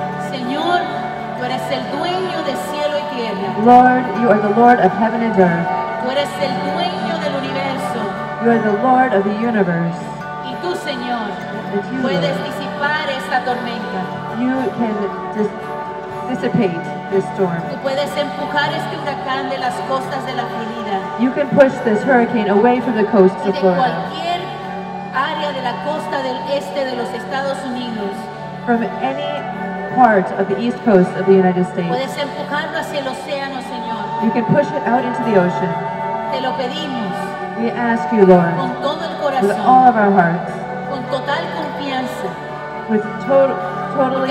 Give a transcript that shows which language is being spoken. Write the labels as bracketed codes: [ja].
[es] Señor, tú eres el dueño de cielo y tierra. [en] Lord, you are the Lord of heaven and earth. [es] Tú eres el dueño del universo. [en] You are the Lord of the universe. [es] Y tú, Señor, [en] you, [es] puedes disipar esta tormenta. [en] You can dissipate this storm. [es] Tú puedes empujar este huracán de las costas de la Florida. [en] You can push this hurricane away from the coasts of Florida. [es] Y de cualquier área de la costa del este de los Estados Unidos. [en] From any part of the east coast of the United States. [es] Puedes empujarlo hacia el océano, Señor. [en] You can push it out into the ocean. [es] Te lo pedimos. [en] We ask you, Lord. [es] Con todo el corazón. [en] With all of our hearts. [es] Con total confianza. [en] With totally full trust.